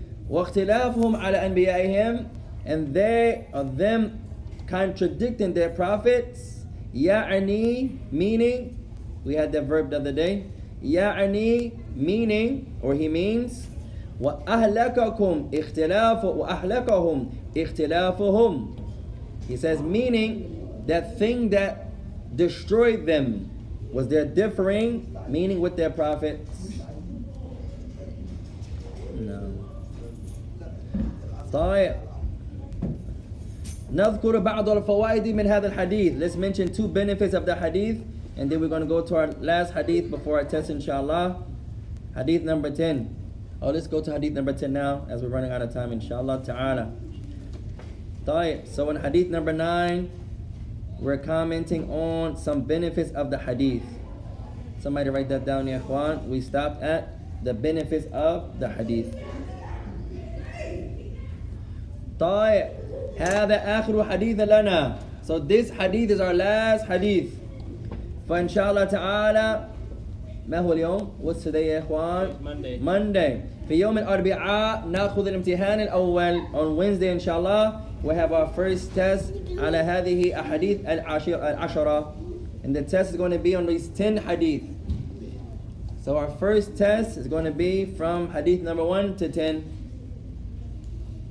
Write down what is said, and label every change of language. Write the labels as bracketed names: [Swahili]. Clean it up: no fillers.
[Arabic] واختلافهم على أنبيائهم [English] and they or them contradicting their prophets. يعني meaning. We had that verb the other day. يعني meaning or he means. [Arabic] وأهلككم اختلاف وأهلكهم اختلافهم. [English] He says meaning. That thing that destroyed them was their differing meaning with their prophets. No. طيب. [Arabic] نذكر بعض الفوائد من هذا الحديث. [English] Let's mention two benefits of the hadith, and then we're going to go to our last hadith before our test, inshallah. Hadith number 10. Oh, let's go to hadith number 10 now, as we're running out of time, inshallah ta'ala. [Arabic] طيب. [English] So in hadith number 9, we're commenting on some benefits of the hadith. Somebody write that down, ya ikhwan. We stopped at the benefits of the hadith. [Arabic] طيب. هذا آخر حديث لنا. [English] So this hadith is our last hadith. [Arabic] فإنشاءالله تعالى ما هو اليوم? [English] What's today, ya ikhwan? Monday. [Arabic] في يوم الأربعاء نأخذ الامتحان الأول. [English] On Wednesday, inshallah. We have our first test [Arabic] على هذه الحديث العشرة. [English] And the test is going to be on these 10 hadith. So our first test is going to be from hadith number 1 to 10.